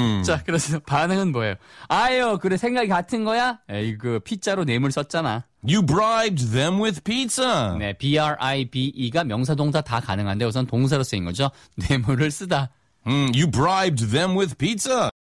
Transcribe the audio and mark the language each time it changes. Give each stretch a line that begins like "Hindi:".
Korean: 자, 그래서 반응은 뭐예요? 아유, 그래, 생각이 같은 거야? 에이, 그 피자로 뇌물 썼잖아.
English: You bribed them with pizza.
Korean: 네, B-R-I-B-E가 명사동사 다 가능한데 우선 동사로 쓰인 거죠. 뇌물을 쓰다.
English: You bribed them with pizza.